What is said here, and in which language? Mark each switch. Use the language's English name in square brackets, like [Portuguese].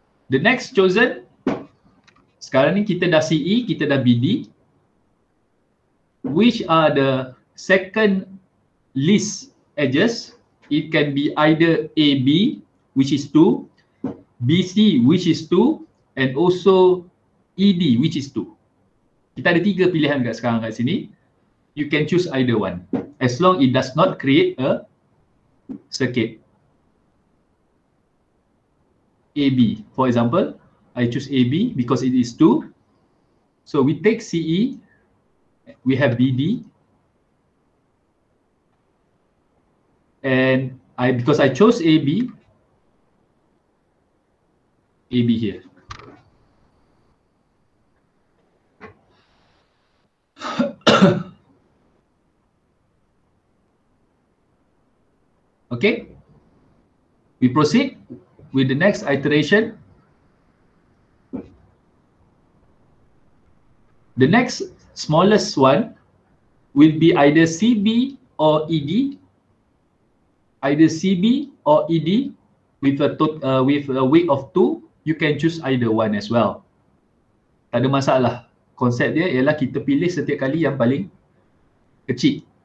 [English] The next chosen. [Malay] Sekarang ni kita dah CE, kita dah BD. [English] Which are the second least edges? It can be either AB, which is 2, BC, which is 2, and also ED, which is 2. [Malay] Kita ada tiga pilihan kat sekarang kat sini. [English] You can choose either one. As long it does not create a circuit. AB, for example, I choose AB because it is 2. So we take CE, we have BD. And I, because I chose AB, AB here. Okay, we proceed with the next iteration. The next smallest one will be either CB or ED. Either CB or ED with a weight of 2, you can choose either one as well. [Malay] Tak ada masalah. Konsep dia ialah kita pilih setiap kali yang paling kecil.